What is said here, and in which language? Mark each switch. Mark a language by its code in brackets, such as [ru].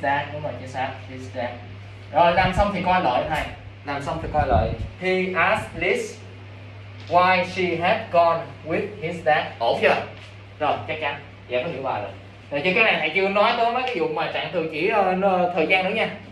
[vi] dad, đúng rồi, chính xác, his dad. Rồi, làm xong thì coi lời thầy. Làm xong thì coi lời. [en] He asked Liz why she had gone with his dad. [vi] Ổn chưa? Rồi, chắc chắn. Dạ, có hiểu bài rồi. Rồi, chứ cái này thầy chưa nói tới mấy cái vụ mà trạng thường chỉ thời gian nữa nha.